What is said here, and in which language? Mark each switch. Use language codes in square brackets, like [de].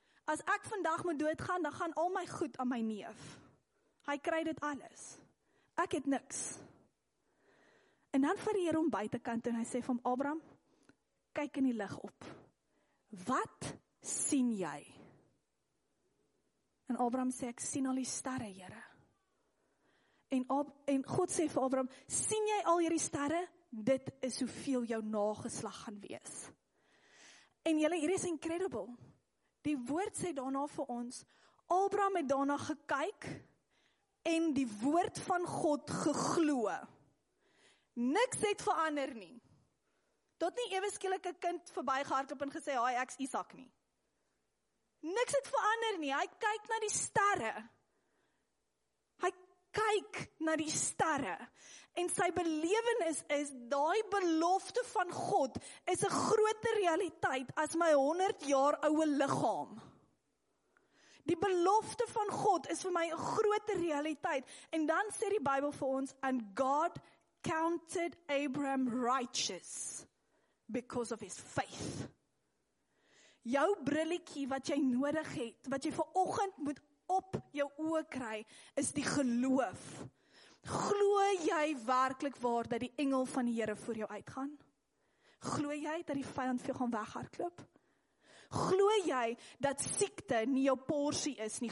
[af] As ek vandag moet doodgaan, dan gaan al my goed aan my neef. Hy kry dit alles. Ek het niks. En dan vir die Here om buitenkant, en hy sê vir hom, Abraham, kyk in die lig op. Wat sien jy? En Abraham sê, ek sien al die sterre, Here. En God sê vir Abraham, sien jy al hierdie sterre? Dit is hoeveel jou nageslag gaan wees. En julle, hier is incredible. Die woord sê daarna vir ons, Abraham het daarna gekyk en die woord van God geglo. Niks het verander nie. Tot nie eweskielike kind verby gehardloop en gesê, hi, ek is Isaac nie. Niks het verander nie. Hy kyk na die sterre. Kyk na die sterre. En sy belewenis is, daai belofte van God is 'n groter realiteit as my 100 jaar ouwe lichaam. Die belofte van God is vir my 'n groter realiteit. En dan sê die Bybel vir ons, [en] and God counted Abraham righteous because of his faith. [af] Jou brilletjie wat jy nodig het, wat jy vanoggend moet op jou oë kry, is die geloof. Glo jy werklik waar dat die engel van die Here voor jou uitgaan? Glo jy dat die vijand vir jou gaan weghardloop? Glo jy dat siekte nie jou porsie is nie?